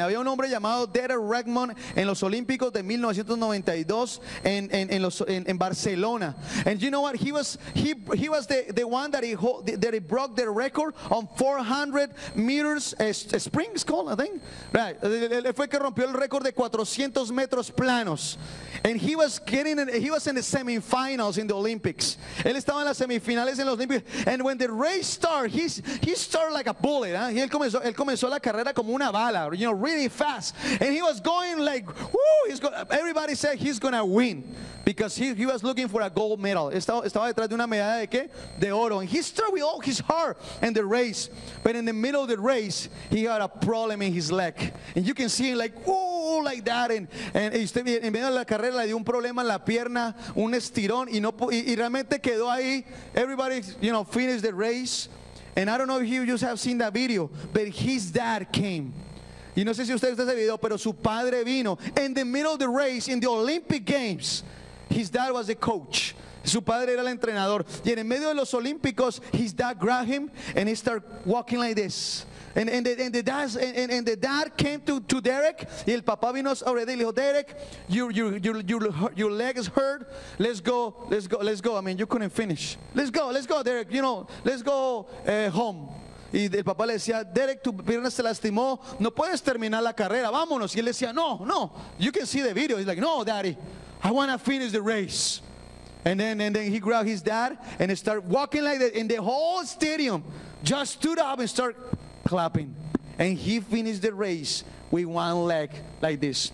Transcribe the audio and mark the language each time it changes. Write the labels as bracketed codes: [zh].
[es] Había un hombre llamado Derek Redmond en los Olímpicos de 1992 en Barcelona. [en] And you know what? He was the one that broke the record on 400 meters sprint, it's called, I think. Right. [es] Él fue que rompió el récord de 400 metros planos. [en] And he was in the semifinals in the Olympics. [es] Él estaba en las semifinales en los Olímpicos. [en] And when the race started, he started like a bullet. ¿Eh? [es] Él comenzó la carrera como una bala, [en] you know, really fast. And he was going like, whoo, everybody said he's going to win. Because he was looking for a gold medal. [es] Estaba detrás de una medalla de qué? De oro. [en] And he started with all his heart in the race. But in the middle of the race, he had a problem in his leg. And you can see him like, whoo, like that. [es] And en medio de la carrera le dio un problema en la pierna, un estirón. Y realmente quedó ahí. [en] Everybody, you know, finished the race. And I don't know if you just have seen that video, but his dad came. [es] Y no sé si usted vio ese video, pero su padre vino. [en] In the middle of the race, in the Olympic Games, his dad was the coach. [es] Su padre era el entrenador. Y en medio de los Olímpicos, [en] his dad grabbed him and he started walking like this. And the dad came to Derek. [es] Y el papá vino [en] already. [es] Y le dijo, [en] Derek, your leg is hurt. Let's go. I mean, you couldn't finish. Let's go, Derek. You know, let's go home. [es] Y el papá le decía, Derek, tu pierna se lastimó. No puedes terminar la carrera. Vámonos. Y él decía, no. [en] You can see the video. He's like, no, daddy, I want to finish the race. And then he grabbed his dad and started walking like that. And the whole stadium just stood up and started clapping, and he finished the race with one leg like this.